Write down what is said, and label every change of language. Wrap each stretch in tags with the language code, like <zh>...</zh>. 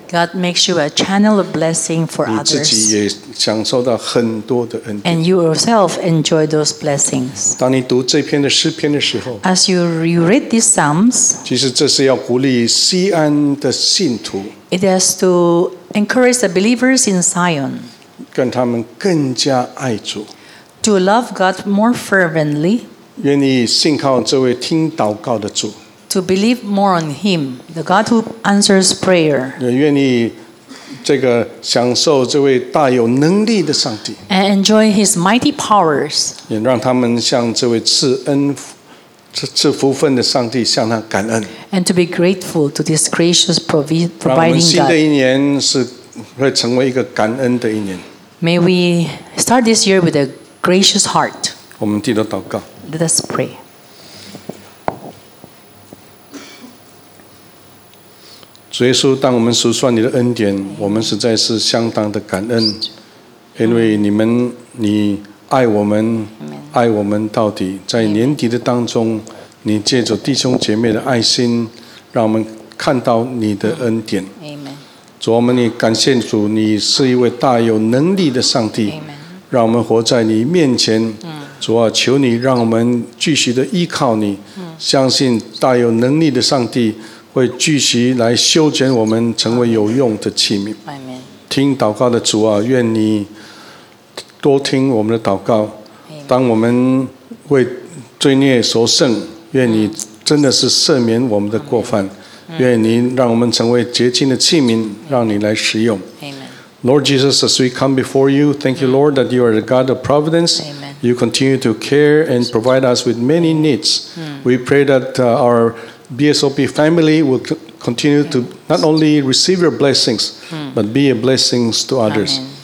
<en>God makes you a channel of blessing for others.</en> <zh>你自己也享受到很多的恩典。</zh> <en>And you yourself enjoy those blessings.</en> <zh>当你读这篇的诗篇的时候</zh> <en>，As you read these psalms,</en> <zh>其实这是要鼓励西安的信徒。</zh> <en>It is to encourage the believers in Zion.</en> <zh>跟他们更加爱主。</zh> <en>To love God more fervently.</en> <zh>愿意信靠这位听祷告的主。</zh> <en>To believe more on Him, the God who answers prayer.</en> <zh>也愿意这个享受这位大有能力的上帝。</zh> <en>And enjoy His mighty powers.</en> <zh>也让他们向这位赐恩、赐福分的上帝向他感恩。</zh> <en>And to be grateful to this gracious providing God.</en> <zh>让我们新的一年是会成为一个感恩的一年。</zh> <en>May we start this year with a gracious heart.</en> <zh>我们低头祷告。</zh> <en>Let us pray.</en> <zh>主耶稣，当我们数算你的恩典，我们实在是相当的感恩，因为你爱我们，爱我们到底。在年底的当中，你借着弟兄姐妹的爱心，让我们看到你的恩典。主，我们也感谢主，你是一位大有能力的上帝，让我们活在你面前。主啊，求你让我们继续的依靠你，相信大有能力的上帝。会继续来修剪我们成为有用的器皿。听祷告的主啊，愿你多听我们的祷告。当我们为罪孽所胜，愿你真的是赦免我们的过犯。愿你让我们成为洁净的器皿，让你来使用。</zh> <en>Lord Jesus, as we come before you, thank you, Lord, that you are the God of providence. Amen. You continue to care and provide us with many needs. We pray that our BSOP family will continue to not only receive your blessings, but be a blessing to others.</en>